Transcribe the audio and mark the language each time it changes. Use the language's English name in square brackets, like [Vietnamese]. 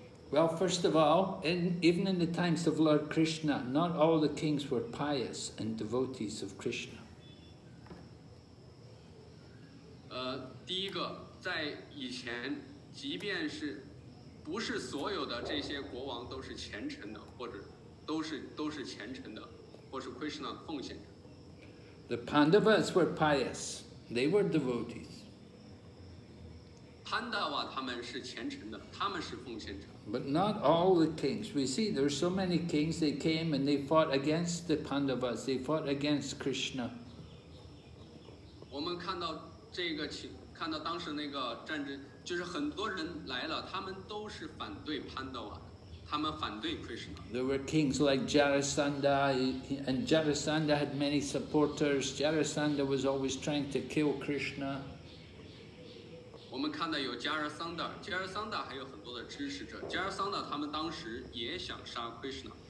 [English] Well, first of all, even in the times of Lord Krishna, not all the kings were pious and devotees of Krishna. [Chinese] 第一个，在以前，即便是不是所有的这些国王都是虔诚的，或者都是虔诚的，或是 Krishna 奉献者。 [English] The Pandavas were pious. They were devotees. [Chinese] Pandava 他们是虔诚的，他们是奉献者。 [English] But not all the kings. We see there's so many kings, they came and they fought against the Pandavas, they fought against Krishna. [Chinese] 我们看到这个情，看到当时那个战争，就是很多人来了，他们都是反对潘多瓦，他们反对 Krishna。 [English] There were kings like Jarasandha, and Jarasandha had many supporters. Jarasandha was always trying to kill Krishna. [Chinese] 我们看到有 Jarasandha, Jarasandha 还有很多的支持者。 Jarasandha 他们当时也想杀 Krishna.